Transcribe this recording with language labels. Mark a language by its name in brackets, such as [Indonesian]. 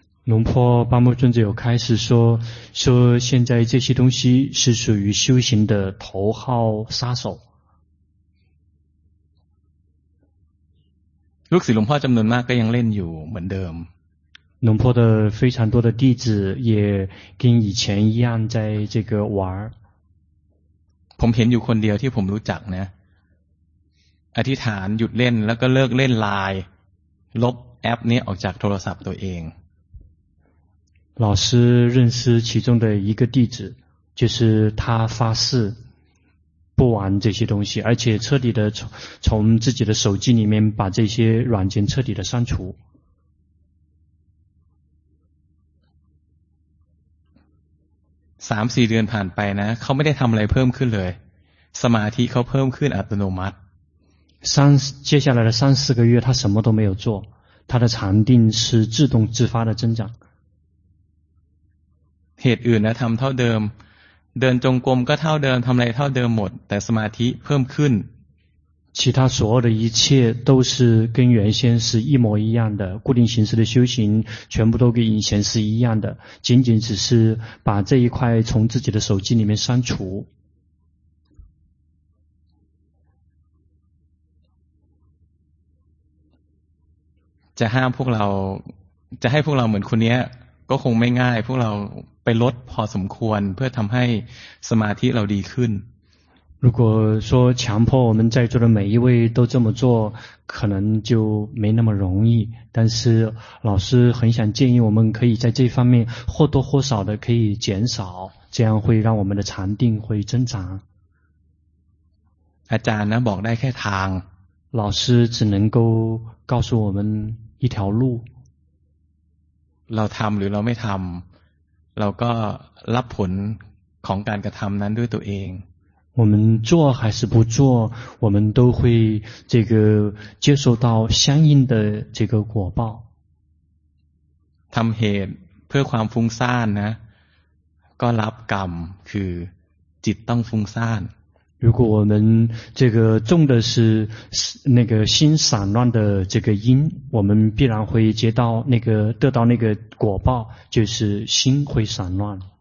[Chinese] 龙婆巴摩尊者有开始说现在这些东西是属于修行的头号杀手。 [Thai] ลูกศิษย์หลวงพ่อจำนวนมากก็ยังเล่นอยู่เหมือนเดิม。 [Chinese] 龙婆的非常多的弟子也跟以前一样在这个玩。 [Thai] ผมเห็นอยู่คนเดียวที่ผมรู้จักนะอธิษฐานหยุดเล่นแล้วก็เลิกเล่นไลน์ลบแอปนี้ออกจากโทรศัพท์ตัวเอง [Chinese] 老师认识其中的一个弟子就是他发誓不玩这些东西而且彻底的 从自己的手机里面把这些软件彻底的删除三四个月 [Thai] ผ่านไปนะเขาไม่ได้ทำอะไรเพิ่มขึ้นเลยสมาธิเขาเพิ่มขึ้นอัตโนมัติ [Chinese] 接下来的三四个月他什么都没有做他的禅定是自动自发的增长 [Thai] เหตุอื่นนะทำเท่าเดิมเดินจงกรมก็เท่าเดิมทำอะไรเท่าเดิมหมดแต่สมาธิเพิ่มขึ้น [Chinese] 其他所有的一切都是跟原先是一模一样的固定形式的修行全部都跟以前是一样的仅仅只是把这一块从自己的手机里面删除 [Thai] จะห้ามพวกเราจะให้พวกเราเหมือนคนนี้ก็คงไม่ง่ายพวกเราไปลดพอสมควรเพื่อทำให้สมาธิเราดีขึ้น [Chinese] 如果说强迫我们在座的每一位都这么做可能就没那么容易但是老师很想建议我们可以在这方面或多或少的可以减少这样会让我们的禅定会增长 [Thai] อาจารย์นะบอกได้แค่ทาง [Chinese] 老师只能够告诉我们一条路 [Thai] เราทำหรือเราไม่ทำเราก็รับผล ของการกระทำนั้นด้วยตัวเอง [Chinese] 我们做还是不做我们都会这个接受到相应的这个果报 [Thai] ทำเหตุเพื่อความฟุ้งซ่านนะก็รับกรรมคือจิตต้องฟุ้งซ่าน [Chinese] 如果我们这个种的是那个心散乱的这个因我们必然会接到那个得到那个果报就是心会散乱